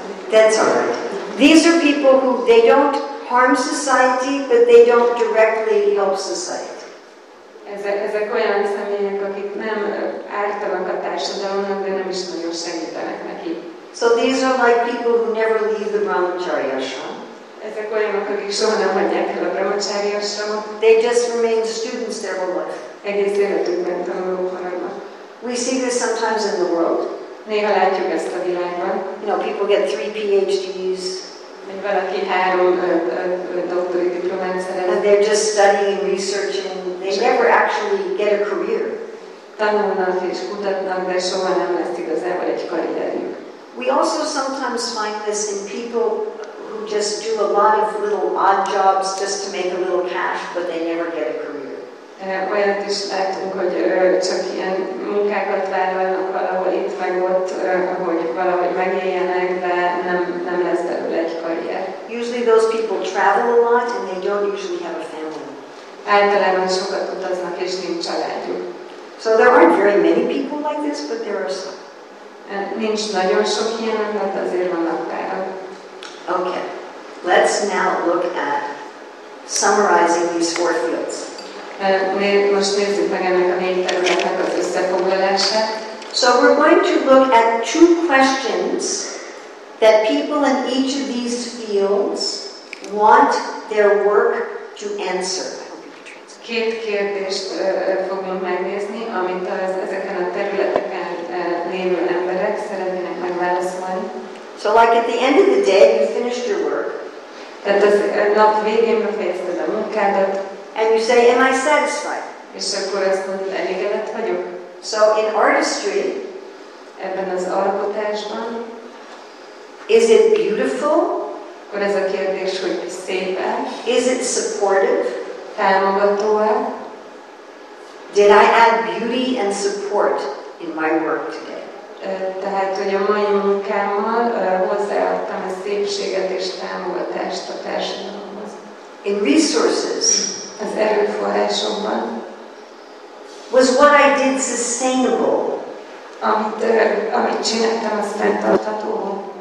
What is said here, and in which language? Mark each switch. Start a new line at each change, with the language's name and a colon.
English: That's all right. These are people who they don't harm society, but they don't directly help society.
Hungarian: Ezek olyan személyek, akik nem ártanak a társadalomnak, de nem is nagyon segítenek neki.
English: So these are like people who never leave the brahmacharya ashram.
Hungarian: Ezek olyanok, akik soha nem hagyják el a brahmacharya ashramot.
English: They just remain students their whole life.
Hungarian: Egész életükben tanulók maradnak.
English: We see this sometimes in the world.
Hungarian: Néha látjuk ezt a világban.
English: You know, people get 3 PhDs.
Hungarian: Még valaki 3 doktori diplomát szerez.
English: And they're just studying, researching. They never actually get a career.
Hungarian: Tanulnak és kutatnak, de soha nem lesz igazából egy karrierjük.
English: We also sometimes find this in people who just do a lot of little odd jobs just to make a little cash, but they never get a career.
Hungarian: Olyat is látunk, hogy csak ilyen munkákat vállalnak valahol itt meg ott, hogy valahogy megéljenek, de nem lesz belőle egy karrier.
English: Usually those people travel a lot and they don't usually have a family.
Hungarian: Általában sokat utaznak és nincs családjuk.
English: So there aren't very many people like this, but there are some.
Hungarian: Nincs nagyon sok ilyen, mert azért vannak párok.
English: Okay, let's now look at summarizing these 4 fields.
Hungarian: Most nézzük meg ennek a 4 területnek az összefoglalását.
English: So we're going to look at 2 questions that people in each of these fields want their work to answer.
Hungarian: Két kérdést fogunk megnézni, amit ezeken a területeken lévő emberek szeretnének megválaszolni.
English: So like at the end of the day, you finished your work.
Hungarian: Tehát az nap végén befejezted a munkádat.
English: And you say, am I satisfied?
Hungarian: És akkor azt mondod, elégedett vagyok.
English: So in artistry,
Hungarian: ebben az alkotásban,
English: is it beautiful?
Hungarian: Akkor ez a kérdés, hogy szép-e?
English: Is it supportive?
Hungarian: Támogató-e?
English: Did I add beauty and support in my work today?
Hungarian: Tehát, hogy a mai munkámmal hozzáadtam a szépséget és támogatást a társadalomhoz.
English: In resources,
Hungarian: az erőforrásomban,
English: was what I did sustainable?
Hungarian: Amit csináltam, az fenntartható.